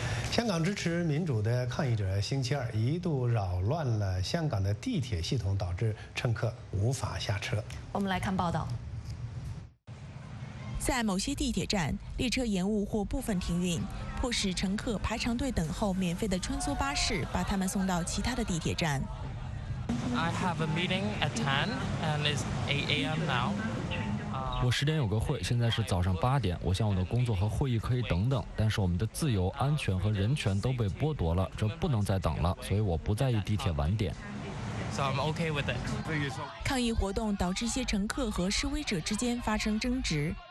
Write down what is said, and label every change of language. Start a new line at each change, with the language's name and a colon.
Chinese: 香港支持民主的抗议者星期二一度扰乱了香港的地铁系统，导致乘客无法下车。我们来看报道。在某些地铁站，列车延误或部分停运，迫使乘客排长队等候免费的穿梭巴士，把他们送到其他的地铁站。
English: I have a meeting at 10 and it's 8 a.m. now.
Chinese: 我10点有个会，现在是早上8点。我想我的工作和会议可以等等，但是我们的自由、安全和人权都被剥夺了，这不能再等了，所以我不在意地铁晚点。
English: So I'm okay with it.
Chinese: 抗议活动导致一些乘客和示威者之间发生争执。